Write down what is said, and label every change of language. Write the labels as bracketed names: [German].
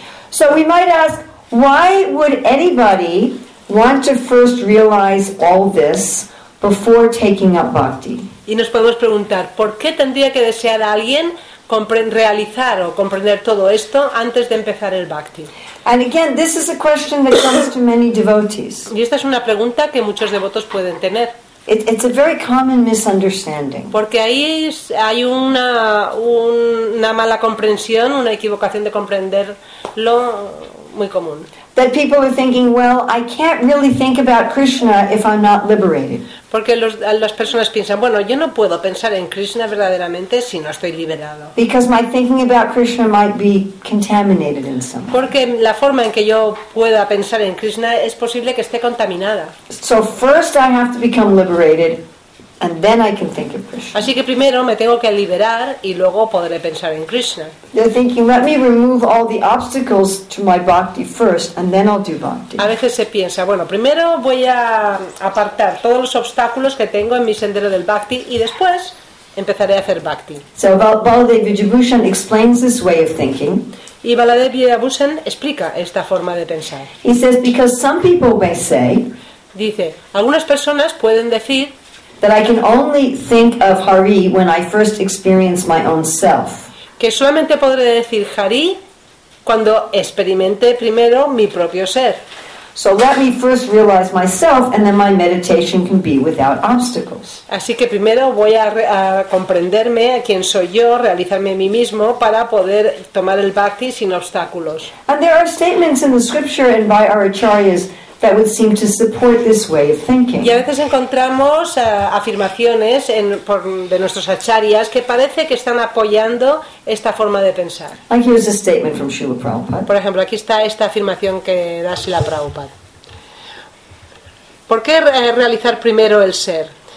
[English] So we might ask, why would anybody want to first realize all this before taking up bhakti? [Spanish] Y nos podemos preguntar, ¿por qué tendría que desear a alguien realizar o comprender todo esto antes de empezar el bhakti? [English] And again, this is a question that comes to many devotees. [Spanish] Y esta es una pregunta que muchos devotos pueden tener. [English] It's a very common misunderstanding. [Spanish] Porque ahí hay una mala comprensión, una equivocación de comprenderlo muy común. [English] That people are thinking, well, I can't really think about Krishna if I'm not liberated. [Spanish] Porque las personas piensan, bueno, yo no puedo pensar en Krishna verdaderamente si no estoy liberado. [English] Because my thinking about Krishna might be contaminated in some way. [Spanish] Porque la forma en que yo pueda pensar en Krishna es posible que esté contaminada. [English] So first I have to become liberated, and then I can think of Krishna. [Spanish] Así que primero me tengo que liberar y luego podré pensar en Krishna. [English] They're thinking, let me remove all the obstacles to my bhakti first, and then I'll do bhakti. [Spanish] A veces se piensa, bueno, primero voy a apartar todos los obstáculos que tengo en mi sendero del bhakti y después empezaré a hacer bhakti. [English] So Baladev Vijayabhushan explains this way of thinking. [Spanish] Y Baladev Vijayabhushan explica esta forma de pensar. [English] He says, because some people may say. [Spanish] Dice, algunas personas pueden decir. [English] That I can only think of Hari when I first experience my own self. [Spanish] Que solamente podré decir Hari cuando experimente primero mi propio ser. [English] So let me first realize myself, and then my meditation can be without obstacles. [Spanish] Así que primero voy a comprenderme a quién soy yo, realizarme a mí mismo para poder tomar el bhakti sin obstáculos. [English] And there are statements in the scripture and by our acharyas. That would seem to support this way of thinking. [Spanish] Y a veces encontramos afirmaciones de nuestros acharyas que parece que están apoyando esta forma de pensar. [English] Like here's a statement from Srila Prabhupada. [Spanish] Por ejemplo, aquí está esta afirmación que da Srila Prabhupada. ¿Por qué realizar primero el ser?